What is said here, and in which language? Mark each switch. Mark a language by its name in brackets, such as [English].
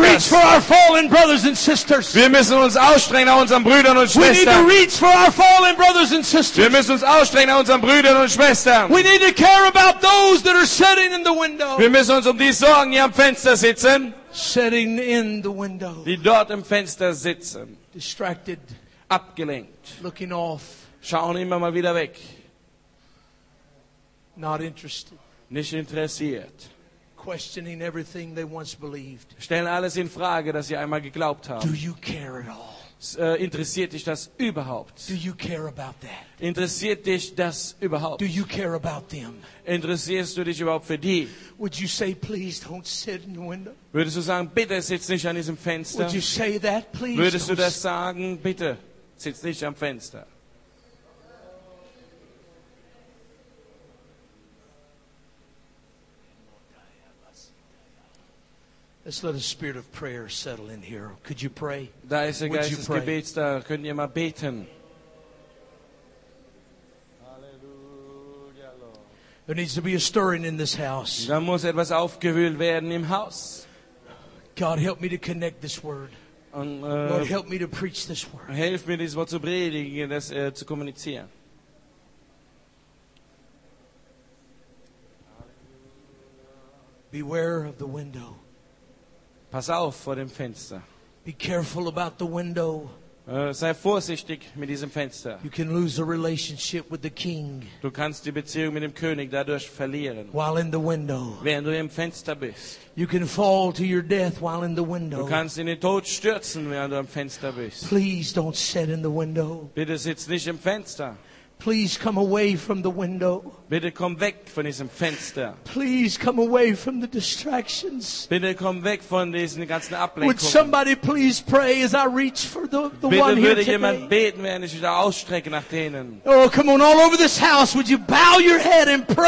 [English] Need to reach for our fallen brothers and sisters. [German] Wir müssen uns ausstrengen nach unseren Brüdern und Schwestern. [English] We need to reach for our fallen brothers and sisters. [German] Wir müssen uns ausstrengen nach unseren Brüdern und Schwestern. [English] We need to care about those that are sitting in the window. [German] Wir müssen uns die Sorgen hier am Fenster sitzen. [English] Sitting in the window. [German] Die dort im Fenster sitzen. [English] Distracted. [German] Abgelenkt. [English] Looking off. [German] Schauen immer mal wieder weg. [English] Not interested. [German] Nicht interessiert. [English] Questioning everything they once believed. [German] Stellen alles in Frage, das sie einmal geglaubt haben. [English] Do you care at all? [German] Interessiert dich das überhaupt? [English] Do you care about that? [German] Interessiert dich das überhaupt? [English] Do you care about them? [German] Interessierst du dich überhaupt für die? [English] Would you say, please don't sit in the window? [German] Würdest du sagen, bitte sitz nicht an diesem Fenster? [English] Would you say that, please? [German] Würdest du das sagen, bitte sitz nicht am Fenster? [English] Let's let a spirit of prayer settle in here. Could you pray? [German] Da ist der Geist des Gebets da. Könnt ihr mal beten? [English] Halleluja, Lord. There needs to be a stirring in this house. [German] Da muss etwas aufgewühlt werden im Haus. [English] God, help me to connect this word. [German] Und, [English] Lord, help me to preach this word. [German] Hilf mir, dieses Wort zu predigen, das zu kommunizieren. [English] Beware of the window. [German] Pass auf vor dem Fenster. [English] Be careful about the window. [German] Sei vorsichtig mit diesem Fenster. [English] You can lose a relationship with the king. [German] Du kannst die Beziehung mit dem König dadurch verlieren. [English] While in the window. [German] Während du im Fenster bist. [English] You can fall to your death while in the window. [German] Du kannst in den Tod stürzen, während du am Fenster bist. [English] Please don't sit in the window. [German] Bitte sitz nicht im Fenster. [English] Please come away from the window. [German] Bitte komm weg von diesem Fenster. [English] Please come away from the distractions. [German] Bitte komm weg von diesen ganzen Ablenkungen. [English] Would somebody please pray as I reach for the one here today? [German] Bitte würde jemand beten, wenn ich mich da ausstrecke nach denen. [English] Oh, come on, all over this house, would you bow your head and pray?